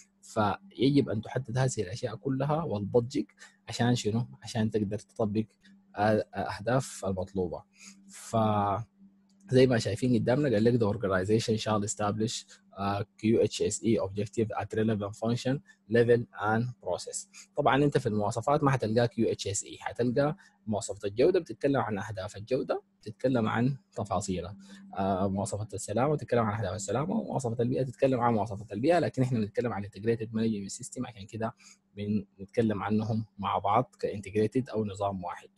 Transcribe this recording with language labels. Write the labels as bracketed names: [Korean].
[Arabic] فيجب ان تحدد هذه الاشياء كلها والبودجيك عشان شنو، عشان تقدر تطبق الاهداف المطلوبه. ف زي ما شايفين قدامنا قال لك [English] the organization shall establish QHSE objective at relevant function level and process. [Arabic] طبعا انت في المواصفات ما هتلقى QHSE، هتلقى مواصفة الجودة بتتكلم عن أهداف الجودة، بتتكلم عن تفاصيلها، مواصفة السلامة بتتكلم عن أهداف السلامة، مواصفة البيئة بتتكلم عن مواصفة البيئة، لكن احنا بنتكلم عن integrated management system عشان كده بنتكلم عنهم مع بعض كintegrated أو نظام واحد.